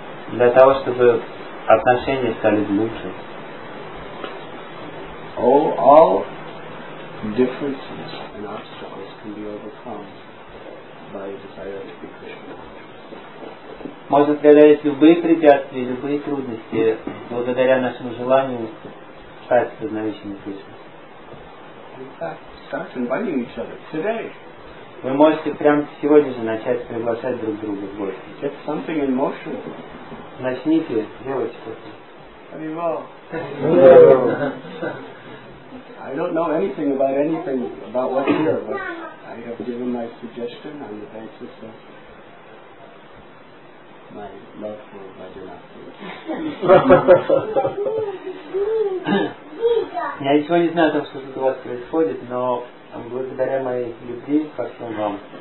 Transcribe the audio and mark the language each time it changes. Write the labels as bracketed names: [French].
[Russian] Для того, чтобы отношения стали лучше. [English] All differences and obstacles can be overcome by a desire to be Krishna. [Russian] Можно преодолеть любые препятствия, любые трудности благодаря нашему желанию стать сознающими Кришны. [English] In fact, start inviting each other today. [Russian] Вы можете прямо сегодня же начать приглашать друг друга в гости. [English] Get something in motion. [Russian] Начните делать что-то. [English] Very well. I don't know anything about what's here, but I have given my suggestion on the basis of my love for Vajranathi. [Russian] Я ничего не знаю о том, что у вас происходит, но благодаря моей любви ко всем вам.